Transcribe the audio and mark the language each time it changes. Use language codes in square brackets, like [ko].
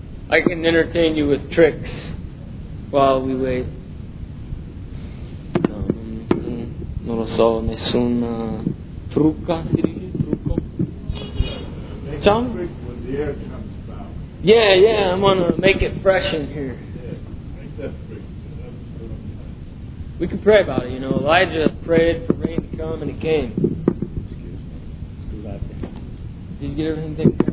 [en] I can entertain you with tricks while we wait. [it] No, non lo so, nessun trucca. Si dice trucco? [en] Tom? Yeah, I'm gonna make it fresh in here. We can pray about it, you know. Elijah prayed for rain to come and it came. Did you get everything?